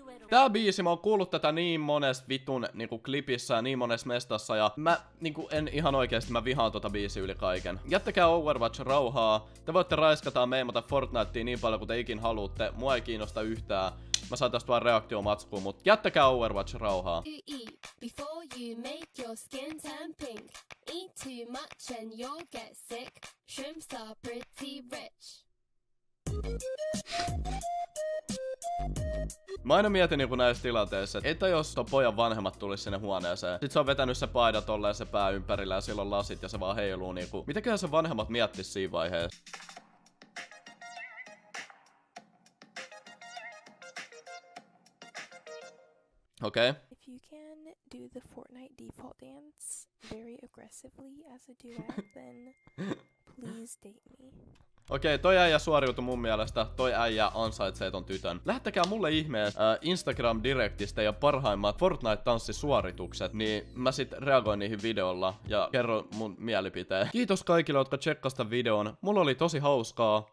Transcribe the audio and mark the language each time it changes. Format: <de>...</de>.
<fi>Tää biisi, mä oon kuullut tätä niin monessa vitun niinku klipissä ja niin monessa mestassa ja mä niinku en ihan oikeesti, mä vihaan tota biisi yli kaiken. Jättäkää Overwatch rauhaa, te voitte raiskata meimata Fortnitea niin paljon kuin te ikin haluutte, mua ei kiinnosta yhtään. Mä saan tästä vaan reaktion matskuun, mut jättäkää Overwatch rauhaa.</fi> <en>Before you make your skin turn pink, eat too much and you'll get sick, shrimps are pretty rich.</en> <fi>Mä aina mietin niinku näissä tilanteissa, että jos ton pojan vanhemmat tulis sinne huoneeseen, sit se on vetänyt se paida tolleen se pää ympärillä ja sillä on lasit ja se vaan heiluu niinku. Mitäköhän se vanhemmat miettis siinä vaiheessa? Okei. Okay.</fi> <en>If you can do the Fortnite default dance very aggressively as a duet, then please date me.</en> <fi>Okei, toi äijä suoriutui mun mielestä, toi äijä ansaitsee ton tytön. Lähettäkää mulle ihmeen Instagram-direktistä ja parhaimmat Fortnite-tanssisuoritukset, niin mä sit reagoin niihin videolla ja kerron mun mielipiteen. Kiitos kaikille, jotka tsekkas tän videon. Mulla oli tosi hauskaa.</fi>